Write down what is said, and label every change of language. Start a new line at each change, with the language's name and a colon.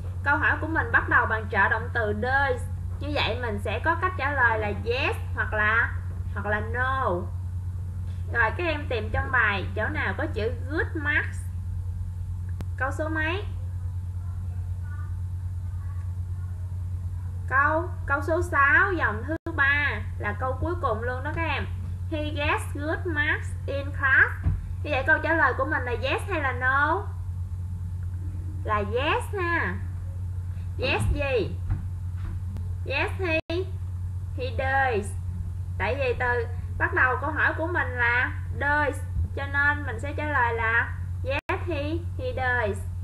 Vietnamese: Câu hỏi của mình bắt đầu bằng trợ động từ does. Như vậy mình sẽ có cách trả lời là yes hoặc là no. Rồi các em tìm trong bài chỗ nào có chữ good marks. Câu số mấy? Câu số 6, dòng thứ 3 là câu cuối cùng luôn đó các em.
English: He gets good marks in class.
Vietnamese: Như vậy câu trả lời của mình là yes hay là no? Là yes ha. Yes gì?
English: Yes he does.
Vietnamese: Tại vì từ bắt đầu câu hỏi của mình là does, cho nên mình sẽ trả lời là
English: yes he does.